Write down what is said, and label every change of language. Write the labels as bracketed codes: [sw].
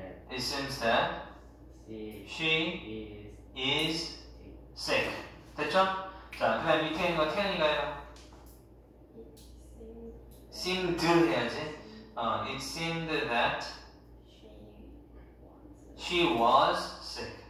[en] It seems that she is sick. [ko] 됐죠? 자, 그 다음 밑에 있는 거 태연이가 해봐. [en] seemed [ko] 해야지. [en] It seemed that she was sick.